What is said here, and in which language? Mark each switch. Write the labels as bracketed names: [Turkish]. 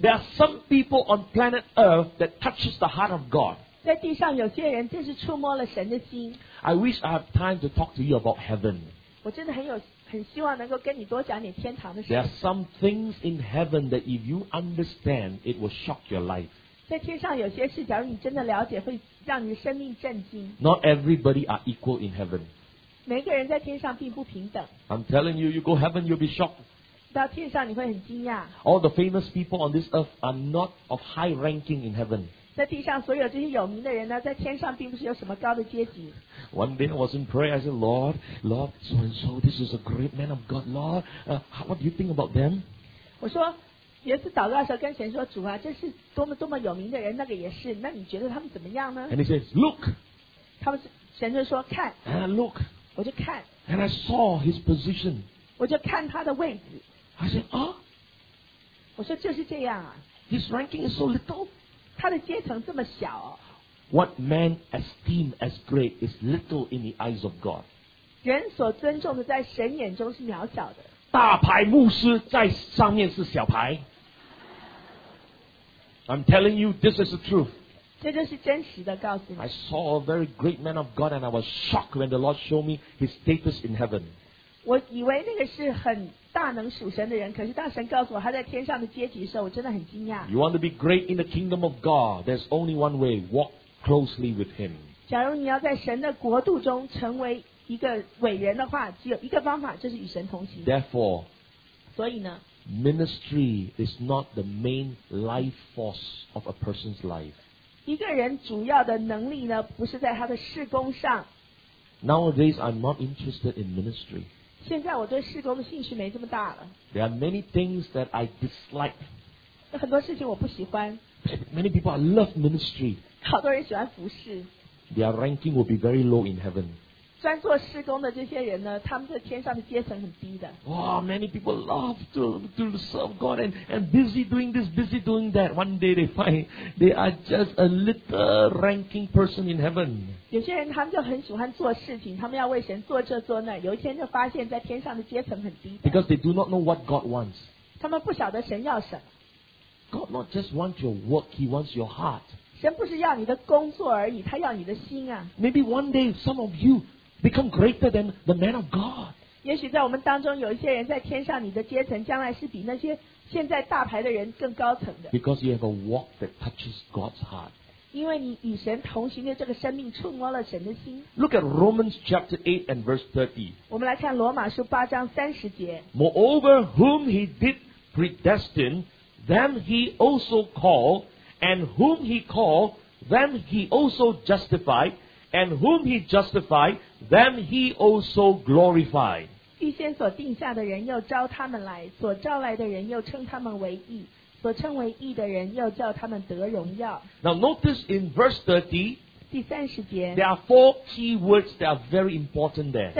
[English] There are some people on planet Earth that touches the heart of God. [Chinese] 在地上有些人真是触摸了神的心。 [English] I wish I have time to talk to you about heaven. [Chinese] 我真的很希望能够跟你多讲点天堂的事。 [English] There are some things in heaven that if you understand, it will shock your life. [Chinese] 在天上有些事，假如你真的了解，会让你生命震惊。 [English] Not everybody are equal in heaven. [Chinese] 每个人在天上并不平等。 [English] I'm telling you, you go heaven, you'll be shocked. [Chinese] 到天上你会很惊讶。 [English] All the famous people on this earth are not of high ranking in heaven. [Chinese] 在地上所有这些有名的人呢，在天上并不是有什么高的阶级。 [English] One day I was in prayer. I said, Lord, Lord, so and so, this is a great man of God. Lord, what do you think about them? [Chinese] 我说。有一次祷告的时候跟神说主啊这是多么多么有名的人那个也是那你觉得他们怎么样呢 [English] And he says look [Chinese] 他们神就说看 [English] And I look [Chinese] 我就看 [English] And I saw his position [Chinese] 我就看他的位置 [English] I said 啊、oh? [Chinese] 我说就是这样啊 [English] His ranking is so little [Chinese] 他的阶层这么小 [English] What man esteem as great is little in the eyes of God [Chinese] 人所尊重的在神眼中是渺小的大牌牧师在上面是小牌。 [English] I'm telling you, this is the truth. [Chinese] 这就是真实的，告诉你。 [English] I saw a very great man of God, and I was shocked when the Lord showed me his status in heaven. [Chinese] 我以为那个是很大能属神的人，可是当神告诉我他在天上的阶级的时候，我真的很惊讶。 [English] You want to be great in the kingdom of God? There's only one way: walk closely with Him. [Chinese] 假如你要在神的国度中成为。一个伟人的话只有一个方法就是与神同行 [English] Therefore, [Chinese] 所以呢 [English] ministry is not the main life force of a person's life [Chinese] 一个人主要的能力呢不是在他的事工上 [English] Nowadays I'm not interested in ministry [Chinese] 现在我对事工的兴趣没这么大了 [English] There are many things that I dislike [Chinese] 有很多事情我不喜欢 [English] Many people I love ministry [Chinese] 好多人喜欢服事 [English] Their ranking will be very low in heaven [Chinese] 专做事工的这些人呢，他们在天上的阶层很低的。 [English] 哇、wow, ，many people love to serve God and busy doing this, busy doing that. One day they find they are just a little ranking person in heaven. [Chinese] 有些人他们就很喜欢做事情，他们要为神做这做那。有一天就发现，在天上的阶层很低的。 [English] Because they do not know what God wants. [Chinese] 他们不晓得神要什么。 [English] God not just wants your work, He wants your heart. [Chinese] 神不是要你的工作而已，他要你的心啊。 [English] Maybe one day some of you. Become greater than the man of God. [Chinese] 也许在我们当中有一些人在天上，你的阶层将来是比那些现在大牌的人更高层的。 [English] Because you have a walk that touches God's heart. [Chinese] 因为你与神同行的这个生命触摸了神的心。 [English] Look at Romans chapter 8 and verse 30. [Chinese] 我们来看罗马书八章三十节。 [English] Moreover, whom he did predestine, them he also called, and whom he called, them he also justified, and whom he justified, them he also glorified. [Chinese] 预先所定下的人又招他们来，所招来的人又称他们为义，所称为义的人又叫他们得荣耀。 [English] Now notice in verse 30, [Chinese] 第三十节， [English] there are four key words that are very important there.